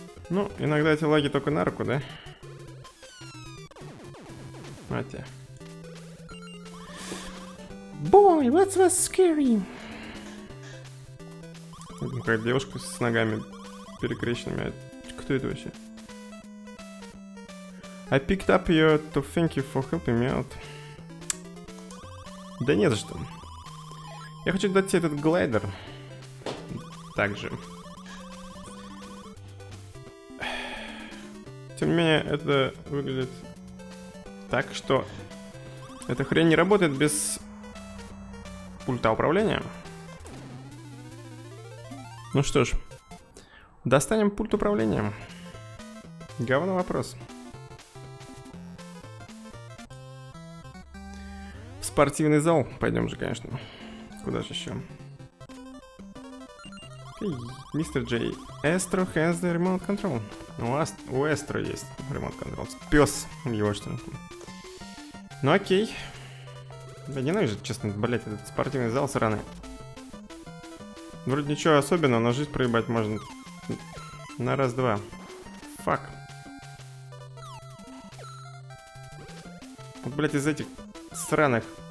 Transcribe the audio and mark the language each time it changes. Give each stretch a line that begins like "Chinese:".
Russian: Ну, иногда эти лаги только на руку, да? Мать.
English: Boy, what's was scary?
Russian: Как девушка с ногами перекрещенными. Кто это вообще?
English: I picked up you to thank you for helping me out.
Russian: Да не за что. Я хочу дать тебе этот глайдер. Также. Тем не менее, это выглядит так, что эта хрень не работает без пульта управления. Ну что ж, достанем пульт управления. Говно вопрос. В спортивный зал пойдем же, конечно. Куда же еще?
English: Мистер Джей, Astro has the remote control.
Russian: У Astro есть remote control. Пес его что ли. Ну окей. Да ненавижу, честно, блять, этот спортивный зал сраный. Вроде ничего особенного, но жизнь проебать можно. На раз-два. Фак. Вот, блять, из этих сраных.